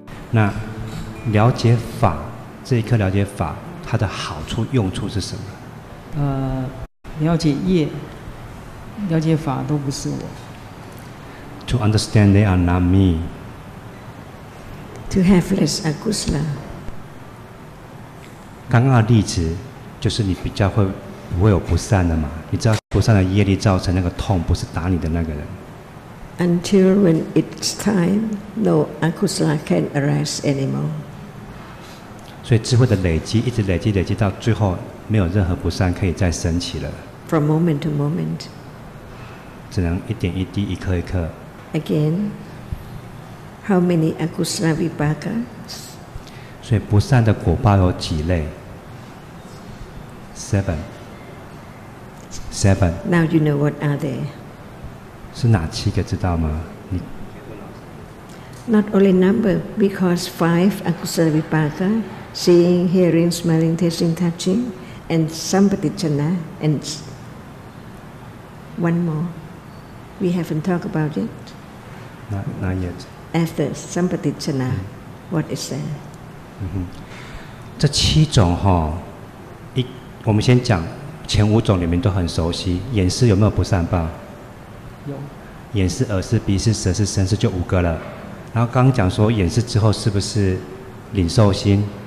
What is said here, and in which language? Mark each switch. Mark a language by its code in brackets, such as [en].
[zh] 那了解法，这一刻了解法，它的好处用处是什么？了解业，了解法都不是我。 [en] To understand they are not me. To have less akusala. [zh] 刚刚的例子就是你比较会不会有不善的嘛？你知道不善的业力造成那个痛，不是打你的那个人。 [en] Until when it's time, no akusala can arise anymore. [zh] 所以智慧的累积，一直累积累积到最后，没有任何不善可以再升起了。 [en] From moment to moment. [zh] 只能一点一滴，一颗一颗。 [en] Again, how many akusala vipakas? [zh] 所以不善的果报有几类？ [en] Seven. Seven. Now you know what are they? [zh] 是哪七个知道吗？你 [en] Not only number, because five akusala vipaka, seeing, hearing, smelling, tasting, touching, and sampaticchana, and one more. We haven't talked about it. Not yet. After sampaticchana, what is that? [zh] 这七种哈，我们先讲前五种，里面都很熟悉。眼识有没有不善报？有。眼识、耳识、鼻识、舌识、身识，就五个了。然后刚刚讲说眼识之后是不是领受心？